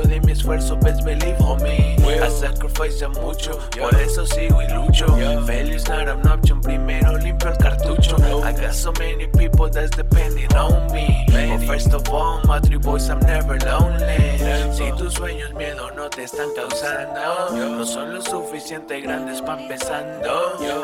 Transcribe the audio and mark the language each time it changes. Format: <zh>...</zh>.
<es>Esfuerzo,</es> <en>best believe, homie. I sacrifice</en> <es>mucho, por eso sigo y lucho.</es> <en>Failure's not an option,</en> <es>primero limpio el cartucho.</es> <en>I got so many people that's depending on me. But first of all, my three boys, I'm never lonely.</en> <es>Si tus sueños, miedo, no te están causando. No son lo suficiente grandes pa' empezando.</es>